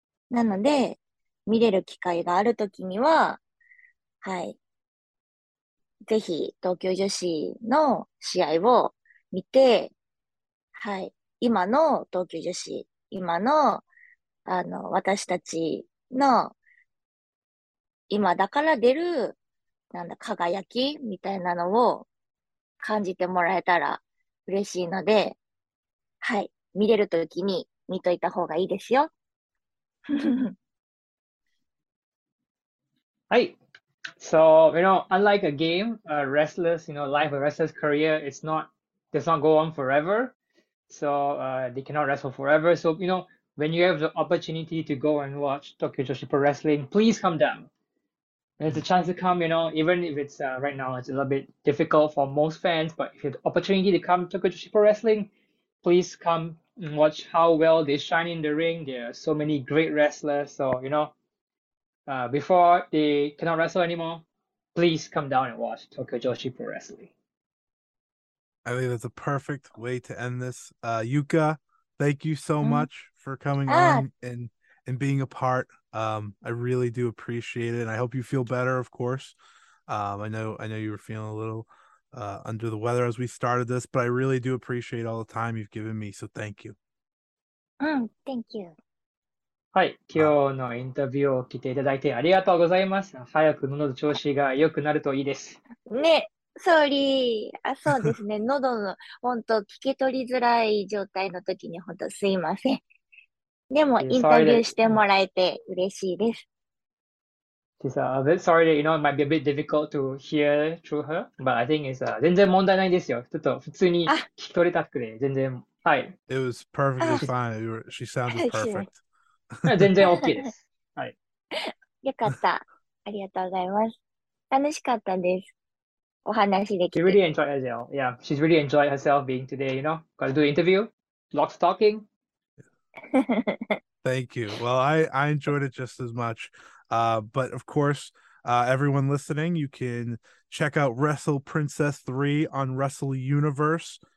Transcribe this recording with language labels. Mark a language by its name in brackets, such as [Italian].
[Japanese] なので見れる機会があるときには、はい、ぜひ東京女子の試合を見て、はい、今の東京女子、今の私たちの今だから出る、なんだ、輝きみたいなのを感じてもらえたら嬉しいので、はい、見れるときに見といた方がいいですよ。 [English] はい、So, you know, unlike a game, a wrestler's, you know, life, a wrestler's career is not, does not go on forever. So, they cannot wrestle forever. So, you know, when you have the opportunity to go and watch Tokyo Joshi Pro Wrestling, please come down. There's a chance to come, you know, even if it's, right now, it's a little bit difficult for most fans, but if you have the opportunity to come to Tokyo Joshi Pro Wrestling, please come and watch how well they shine in the ring. There are so many great wrestlers. So, you know,before they cannot wrestle anymore, please come down and watch Tokyo Joshi Pro Wrestling. I think that's a perfect way to end this. Yuka, thank you so much for coming on and being a part. I really do appreciate it. And I hope you feel better, of course. I know you were feeling a little under the weather as we started this, but I really do appreciate all the time you've given me. So thank you. Thank you. [Japanese] はい、今日のインタビューを聞いていただいてありがとうございます。早く喉の調子が良くなるといいです。ね、ソーリー。あ、そうですね。喉の、本当聞き取りづらい状態の時に本当すいません。でも、インタビューしてもらえて嬉しいです。 [English] She's a bit sorry that, you know, it might be a bit difficult to hear through her, but I think it's [Japanese] 全然問題ないですよ。ちょっと普通に聞き取れたくて、全然、はい。 [English] It was perfectly fine. She sounded perfect. [Japanese] 全然 OK です、はい、よかった、ありがとうございます。楽しかったです、お話できて。 [English] She really enjoyed herself. Yeah, she's really enjoyed herself being today, you know, got to do the interview, lots of talking. Thank you. Well, I enjoyed it just as much, but of course, everyone listening, you can check out Wrestle Princess 3 on Wrestle Universe.